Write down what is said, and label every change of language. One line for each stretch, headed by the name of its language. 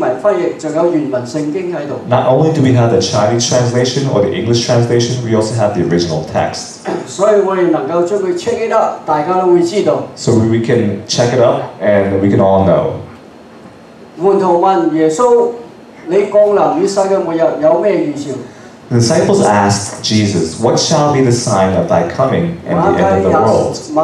Cantonese: 不单只有中文翻译，英文翻译，仲有原文圣经喺度。
English: Not only do we have the Chinese translation or the English translation, we also have the original text.
Cantonese: 所以我们能够将它
English: check it up，
Cantonese: 大家都会知道。
English: So we can check it up and we can all know.
Cantonese: 门徒问耶稣：你降临于世界末日有咩预兆？
English: The disciples asked Jesus, "What shall be the sign of thy coming and the end of the world?"